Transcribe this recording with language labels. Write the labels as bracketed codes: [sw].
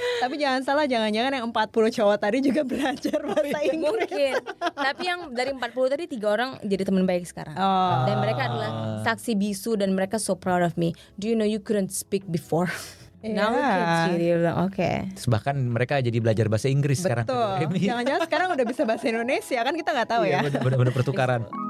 [id] Tapi jangan salah, jangan-jangan yang 40 cowok tadi juga belajar bahasa Inggris. Mungkin. Tapi yang dari 40 tadi 3 orang jadi teman baik sekarang. Dan mereka adalah saksi bisu. Dan mereka [en] so proud of me. Do you know you couldn't speak before? Yeah. Now kids, you're like, okay. [id] Terus bahkan mereka jadi belajar bahasa Inggris. Betul. Sekarang. Betul. Jangan-jangan sekarang udah bisa bahasa Indonesia kan kita nggak tahu ya. Benar-benar pertukaran.